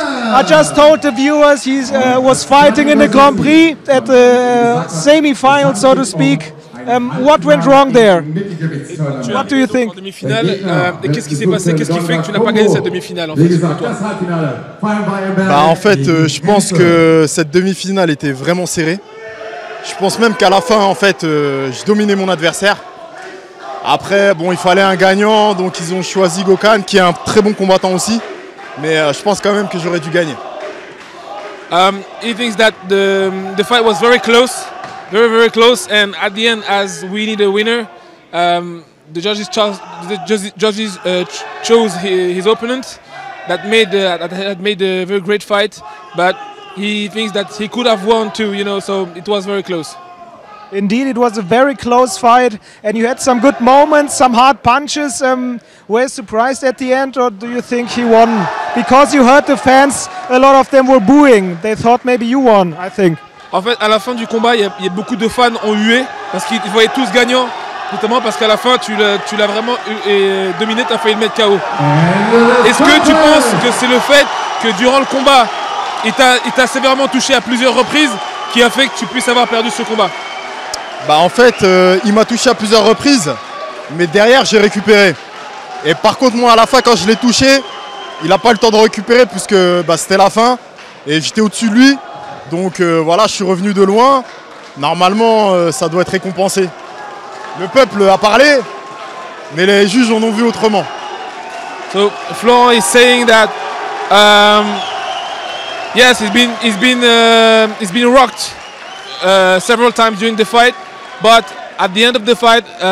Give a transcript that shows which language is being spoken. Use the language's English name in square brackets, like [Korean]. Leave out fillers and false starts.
[English] I just told the viewers he was fighting in the Grand Prix at the semifinals, so to speak. What went wrong there? What do you think? [French] Qu'est-ce qui s'est passé? Qu'est-ce qui fait que tu n'as pas gagné cette demi-finale En fait, je pense que cette demi-finale était vraiment serrée. Je pense même qu'à la fin, en fait, je dominais mon adversaire. Après, bon, il fallait un gagnant, donc ils ont choisi Gokhan, qui est un très bon combattant aussi. Mais je pense quand même que j'aurais dû gagner. [English] He thinks that the fight was very close, very very close, and at the end, as we need a winner, the judges chose his opponent, that had made a very great fight, but. He thinks that he could have won too, you know, so it was very close. Indeed, it was a very close fight and you had some good moments, some hard punches. Were you surprised at the end or do you think he won? Because you heard the fans, a lot of them were booing. They thought maybe you won, I think. [French] En fait, à la fin du combat, il y a beaucoup de fans ont hué parce qu'ils voyaient tous gagnants. Notamment parce qu'à la fin, tu l'as vraiment dominé, t'as failli le mettre KO. Est-ce que tu penses que c'est le fait que durant le combat, Il t'a sévèrement touché à plusieurs reprises qui a fait que tu puisses avoir perdu ce combat? En fait, il m'a touché à plusieurs reprises, mais derrière j'ai récupéré. Et par contre moi à la fin quand je l'ai touché, il n'a pas le temps de récupérer puisque c'était la fin et j'étais au-dessus de lui. Donc, je suis revenu de loin. Normalement, ça doit être récompensé. Le peuple a parlé, mais les juges en ont vu autrement. [English] So Florent is saying that yes, he's been rocked several times during the fight, but at the end of the fight,